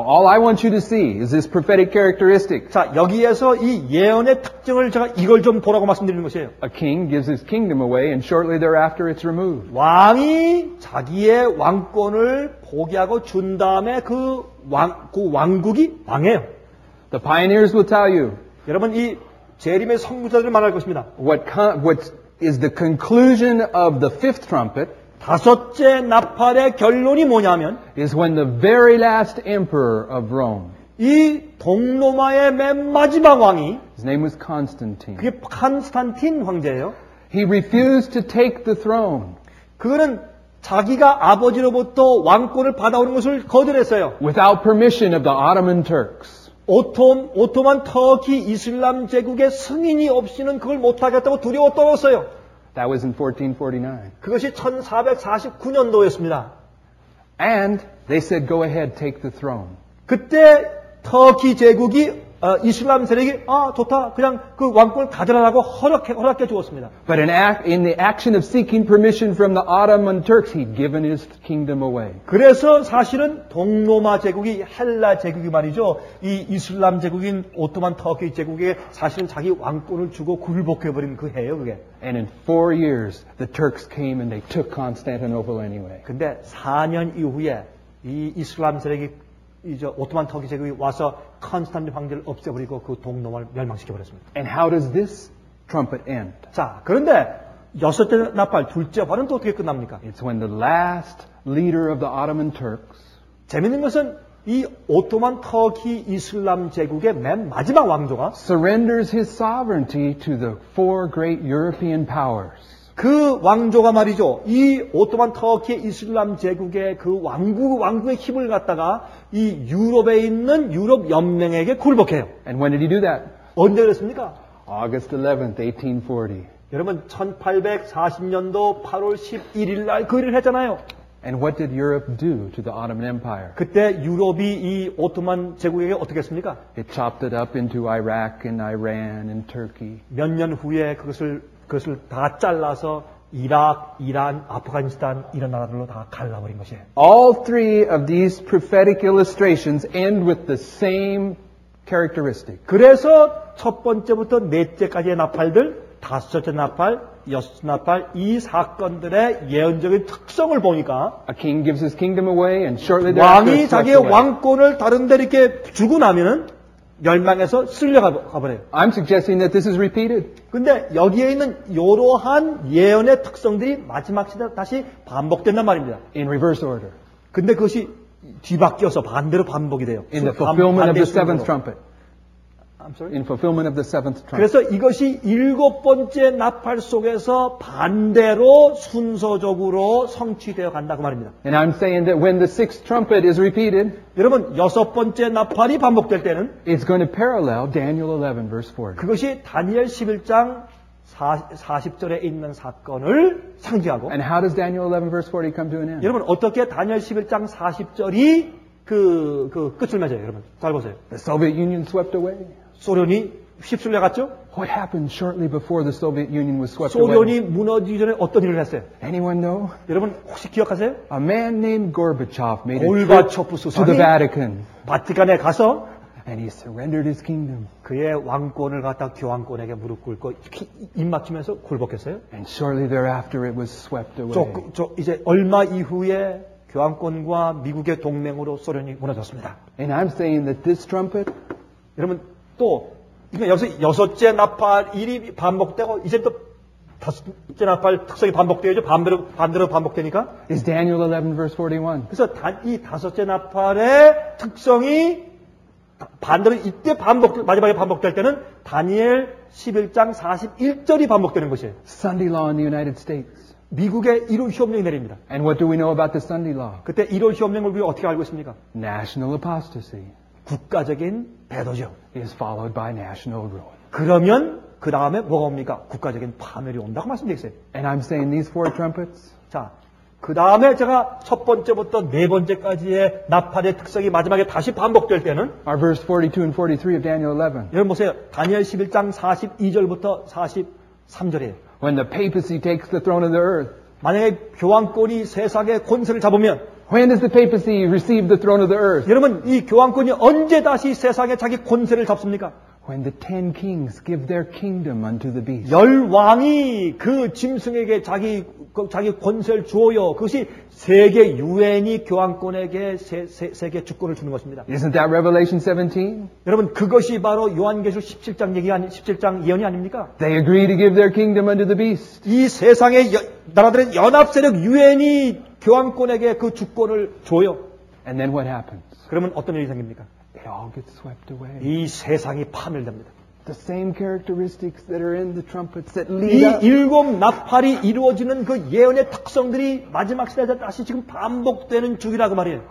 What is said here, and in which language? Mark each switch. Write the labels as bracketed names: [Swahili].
[English] Now all I want you to see is this prophetic characteristic. [Korean] 자, 여기에서 이 예언의 특징을 제가 이걸 좀 보라고 말씀드리는 것이에요. [English] A king gives his kingdom away and shortly thereafter it's removed. [Korean] 왕이 자기의 왕권을 포기하고 준 다음에 그 왕국이 망해요. [English] The pioneers will tell you. [Korean] 여러분 이 재림의 선구자들 말할 것입니다. [English] What is the conclusion of the fifth trumpet? [Korean] 다섯째 나팔의 결론이 뭐냐면 [English] is when the very last emperor of Rome [Korean] 이 동로마의 맨 마지막 왕이 [English] his name was Constantine [Korean] 그게 콘스탄틴 황제예요. [English] He refused to take the throne. [Korean] 그는 자기가 아버지로부터 왕권을 받아오는 것을 거절했어요. [English] Without permission of the Ottoman Turks. [Korean] 오토만 터키 이슬람 제국의 승인이 없이는 그걸 못 하겠다고 두려워 떨었어요. [English] That was in 1449. [Korean] 그것이 1449년도였습니다. [English] And they said, "Go ahead, take the throne." [Korean] 그때 터키 제국이 이슬람 세력이 좋다, 그냥 그 왕권을 가져라라고 허락해 주었습니다. [English] But in the action of seeking permission from the Ottoman Turks, he'd given his kingdom away. [Korean] 그래서 사실은 동로마 제국이 헬라 제국이 말이죠, 이 이슬람 제국인 오토만 터키 제국에 사실은 자기 왕권을 주고 굴복해 버린 그 해요, 그게. [English] And in 4 years, the Turks came and they took Constantinople anyway. [Korean] 근데 4년 이후에 이 이슬람 세력이 이제 오토만 터키 제국이 와서 콘스탄틴 황제를 없애버리고 그 동로마를 멸망시켜버렸습니다. [English] And how does this trumpet end? [Korean] 자, 그런데 여섯째 나팔, 둘째 화는 또 어떻게 끝납니까? [English] It's when the last leader of the Ottoman Turks [Korean] 재밌는 것은 이 오토만 터키 이슬람 제국의 맨 마지막 왕조가 [English] surrenders his sovereignty to the four great European powers. [Korean] 그 왕조가 말이죠. 이 오토만 터키 이슬람 제국의 그 왕국의 힘을 갖다가 이 유럽에 있는 유럽 연맹에게 굴복해요. [English] And when did he do that? [Korean] 언제 그랬습니까? [English] August 11th, 1840. [Korean] 여러분 1840년도 8월 11일 날 그 일을 했잖아요. [English] And what did Europe do to the Ottoman Empire? [Korean] 그때 유럽이 이 오토만 제국에게 어떻게 했습니까? [English] It chopped it up into Iraq and Iran and Turkey. [Korean] 몇 년 후에 그것을 다 잘라서 이라크, 이란, 아프가니스탄 이런 나라들로 다 갈라버린 것이에요. [English] All three of these prophetic illustrations end with the same characteristic. [Korean] 그래서 첫 번째부터 넷째까지의 나팔들, 다섯째 나팔, 여섯째 나팔 이 사건들의 예언적인 특성을 보니까 [English] A king gives his kingdom away and shortly thereafter [Korean] 왕이 자기의 왕권을 다른 데 이렇게 주고 나면은 열망에서 쓸려가 버려요. [English] I'm suggesting that this is repeated. [Korean] 근데 여기에 있는 이러한 예언의 특성들이 마지막 시대 다시 반복된단 말입니다. [English] In reverse order. [Korean] 근데 그것이 뒤바뀌어서 반대로 반복이 돼요. [English] In the fulfillment of the seventh trumpet. In fulfillment of the seventh trumpet. [Korean] 그래서 이것이 일곱 번째 나팔 속에서 반대로 순서적으로 성취되어 간다고 말입니다. [English] And I'm saying that when the sixth trumpet is repeated, [Korean] 여러분 여섯 번째 나팔이 반복될 때는 [English] it's going to parallel Daniel 11 verse 40. [Korean] 그것이 다니엘 11장 40절에 있는 사건을 상징하고 [English] And how does Daniel 11 verse 40 come to an end? [Korean] 여러분 어떻게 다니엘 11장 40절이 그 끝을 맞아요, 여러분. 잘 보세요. [English] The Soviet Union swept away. [Korean] 소련이 휩쓸려 갔죠? [English] What happened shortly before the Soviet Union was swept [Korean] 소련이 [English] away? [Korean] 소련이 무너지기 전에 어떤 일을 했어요? [English] Anyone know? [Korean] 여러분 혹시 기억하세요? [English] A man named Gorbachev made a trip to the Vatican. [Korean] 바티칸에 가서 [English] And he surrendered his kingdom. [Korean] 그의 왕권을 갖다 교황권에게 무릎 꿇고 입 맞추면서 굴복했어요. [English] And shortly thereafter it was swept away. [Korean] 이제 얼마 이후에 교황권과 미국의 동맹으로 소련이 무너졌습니다. [English] And I'm saying that this trumpet, [Korean] 여러분 또 그러니까 여기서 여섯째 나팔 일이 반복되고 이제 또 다섯째 나팔 특성이 반복되죠. 반대로 반복되니까. [English] Is Daniel 11 verse 41? [Korean] 그래서 이 다섯째 나팔의 특성이 반대로 이때 반복 마지막에 반복될 때는 다니엘 11장 41절이 반복되는 것이에요. [English] Sunday law in the United States. [Korean] 미국의 1호 시험령이 내립니다. [English] And what do we know about the Sunday law? [Korean] 그때 1호 시험령을 우리가 어떻게 알고 있습니까? [English] National apostasy. [Korean] 국가적인 배도죠. [English] Is followed by national ruin. [Korean] 그러면 그 다음에 뭐가 옵니까? 국가적인 파멸이 온다고 말씀드렸어요. [English] And I'm saying these four trumpets. [Korean] 자, 그 다음에 제가 첫 번째부터 네 번째까지의 나팔의 특성이 마지막에 다시 반복될 때는 [English] are verse 42 and 43 of Daniel 11. [Korean] 여러분 보세요. 다니엘 11장 42절부터 43절이에요. [English] When the papacy takes the throne of the earth. [Korean] 만약에 교황권이 세상의 권세를 잡으면 [English] When does the papacy receive the throne of the earth? [Korean] 여러분 이 교황권이 언제 다시 세상에 자기 권세를 잡습니까? [English] When the ten kings give their kingdom unto the beast. [Korean] 열 왕이 그 짐승에게 자기 권세를 주어요. 그것이 세계 유엔이 교황권에게 세계 주권을 주는 것입니다. [English] Isn't that Revelation 17? [Korean] 여러분 그것이 바로 요한계시록 17장 17장 예언이 아닙니까? [English] They agree to give their kingdom unto the beast. [Korean] 이 세상의 나라들은 연합 세력 유엔이 교황권에게 그 주권을 줘요. [English] And then what happens? [Korean] 그러면 어떤 일이 생깁니까? [English] It all gets swept away. [Korean] 이 세상이 파멸됩니다. [English] The same characteristics that are in the trumpets that lead up. [Korean] 이 일곱 나팔이 이루어지는 그 예언의 특성들이 마지막 시대에 다시 지금 반복되는 주기라고 말해요.